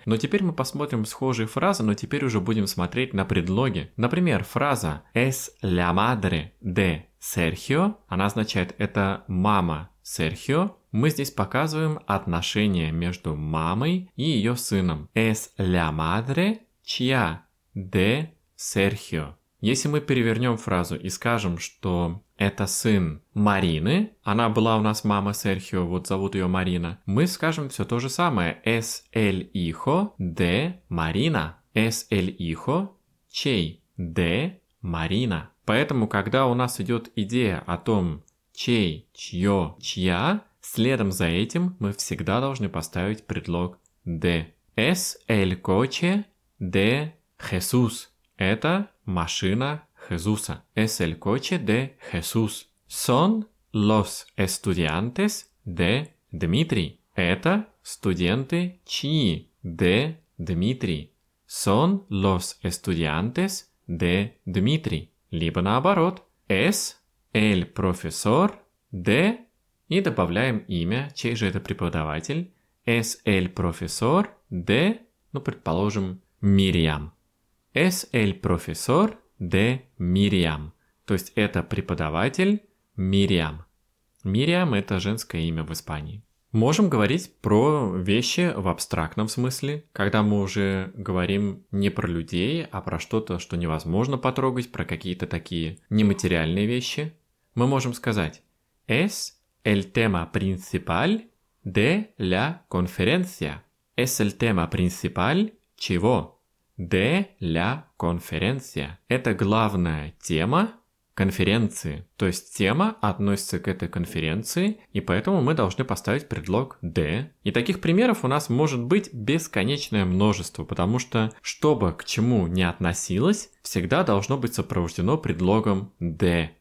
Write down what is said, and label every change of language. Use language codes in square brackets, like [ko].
[ru] Но теперь мы посмотрим схожие фразы, но теперь уже будем смотреть на предлоги. Например, фраза [es] «es la madre de Sergio», [ru] она означает «это мама Sergio». Мы здесь показываем отношения между мамой и ее сыном. [es] «Es la madre chia de Sergio». [ru] Если мы перевернем фразу и скажем, что это сын Марины, она была у нас мама Серхио, вот зовут ее Марина, мы скажем все то же самое. [es] Es el hijo de Marina. Es el hijo чей de Marina. [ru] Поэтому, когда у нас идет идея о том, чей, чье, чья, следом за этим мы всегда должны поставить предлог de. [es] Es el coche de Jesús. [ru] Это машина Хесуса. [es] Es el coche de Jesús. Son los estudiantes de Dmitri. [ru] Это студенты чьи? [es] De Dmitri. Son los estudiantes de Dmitri. [ru] Либо наоборот. [es] Es el profesor de... [ru] И добавляем имя. Чей же это преподаватель? [es] Es el profesor de... [ru] Ну, предположим, Miriam. [es] Es el profesor de Miriam. [ru] То есть это преподаватель Miriam. Miriam – это женское имя в Испании. Можем говорить про вещи в абстрактном смысле, когда мы уже говорим не про людей, а про что-то, что невозможно потрогать, про какие-то такие нематериальные вещи. Мы можем сказать [es] «Es el tema principal de la conferencia». «Es el tema principal чего?» De la conferencia. [ru] Это главная тема конференции. То есть тема относится к этой конференции, и поэтому мы должны поставить предлог de. И таких примеров у нас может быть бесконечное множество, потому что, чтобы к чему ни относилось, всегда должно быть сопровождено предлогом de.